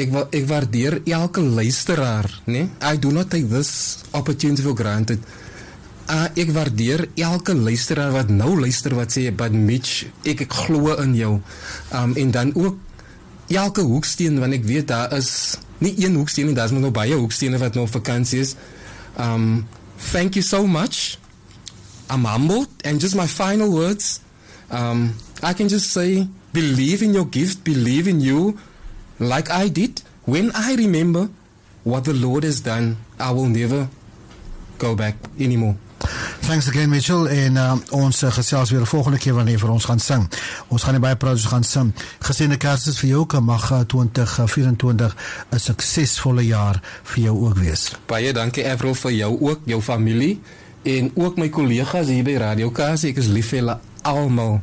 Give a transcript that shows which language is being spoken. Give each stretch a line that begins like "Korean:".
Afrikaans: Ek waardeer elke luisteraar, nee?
English: I do not take this opportunity for granted.
Afrikaans: Ek waardeer elke luisteraar wat nou luister, wat sê, but Mitch, ek glo in jou. En dan ook elke hoeksteen, want ek weet daar is nie een hoeksteen, daar is maar nog baie hoekstene wat nou op vakantie is.
English: Thank you so much. I'm humbled. And just my final words, I can just say, believe in your gift, believe in you, like I did. When I remember what the Lord has done, I will never go back anymore. Thanks again,
Afrikaans: Mitchell. En ons gesels weer volgende keer wanneer vir ons gaan sing. Ons gaan nie baie praat, ons gaan sing. Geseënde Kersfees vir jou ook, en mag 2024 'n suksesvolle jaar vir jou ook wees. Baie dankie, Avril, vir jou ook, jou familie, en ook my collega's hier by Radio Kers. Ek is lief vir julle almal.